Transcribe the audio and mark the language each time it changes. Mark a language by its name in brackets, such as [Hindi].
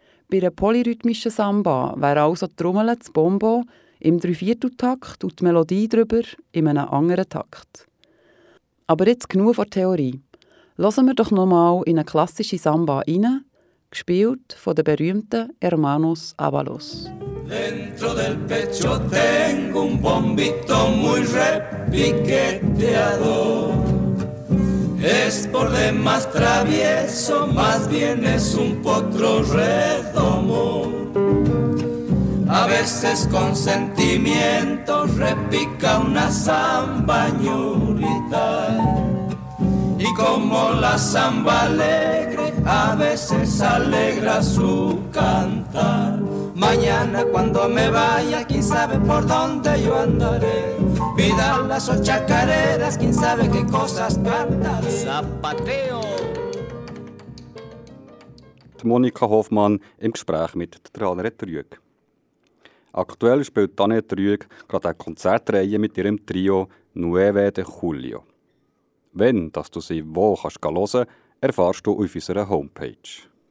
[German] Bei einer polyrhythmischen Samba wäre also die Trommel das Bombo im 3/4-Takt und die Melodie darüber in einem anderen Takt. Aber jetzt genug von Theorie. Hören wir doch nochmal in eine klassische Samba rein, gespielt von der berühmten Hermanos Avalos. [Spanish] Dentro del pecho tengo un bombito muy repiqueteado. Es por demás travieso, más bien es un potro redomo. A veces con sentimiento repica una zamba ñurita. Y como la zamba alegre, a veces alegra su cantar. Mañana cuando me vaya, quién sabe por dónde yo andaré. Vidalas o chacareras, quién sabe qué cosas cantaré. Zapateo. [German] Monika Hoffmann im Gespräch mit Annette Rüegg. Aktuell spielt Annette Rüegg gerade eine Konzertreihe mit ihrem Trio Nueve de Julio. Wenn dass du sie wo kannst hören kannst, erfährst du auf unserer Homepage.